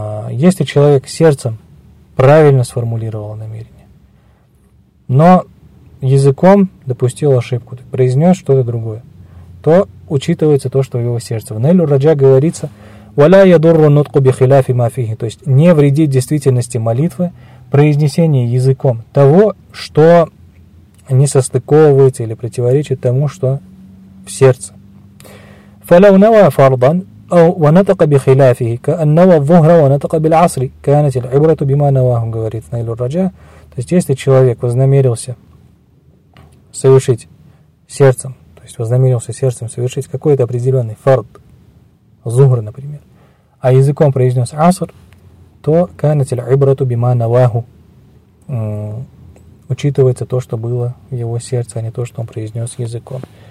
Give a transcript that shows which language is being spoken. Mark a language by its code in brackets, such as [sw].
[ru] Если человек сердцем правильно сформулировал намерение, но языком допустил ошибку, произнес что-то другое, то учитывается то, что в его сердце. В Нейлю Раджа говорится [ar] «Валя ядурру нутку бихиляфи мафихи», [ru] то есть не вредит действительности молитвы произнесение языком того, что не состыковывается или противоречит тому, что в сердце. [ar] فَلَوْ نَوَى فَرْضًا وَنَتَقَ بِخِلَافِهِ كَأَنَّوَى الظُّهْرَ وَنَتَقَ بِالْعَصْرِ كَانَتِ الْعِبْرَةُ بِمَا نَوَاهُمْ, [ru] говорит Найлю Раджа. То есть если человек вознамерился совершить сердцем, то есть вознамерился сердцем совершить какой-то определенный фард, зухр, например, а языком произнес аср, то [ar] «Канатиль ибрату бима наваху», [ru] учитывается то, что было в его сердце, а не то, что он произнес языком.